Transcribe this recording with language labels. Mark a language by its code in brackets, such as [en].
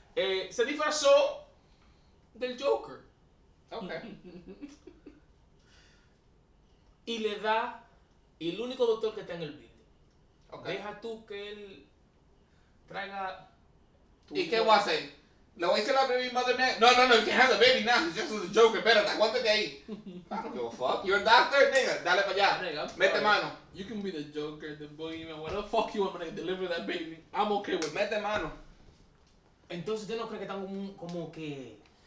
[es] Se disfrazó del Joker. [en] Okay. [es] Y le da, y el único doctor que está en el video, okay, deja tú que él traiga. ¿Y qué voy a hacer? ¿Le voy a decir a la [en] baby mother man? No, no, no, you can't have the baby now. It's just a joke. [es] Espérate, aguántate ahí. [en] I don't give a fuck. You're a doctor, nigga. [es] Dale para allá. [en] Nigga, [es] mete mano. [en] You can be the Joker, the boogeyman, whatever the fuck you want, to deliver that baby. I'm okay with it. [es] Mete mano. Entonces, ¿usted no cree que están como que...?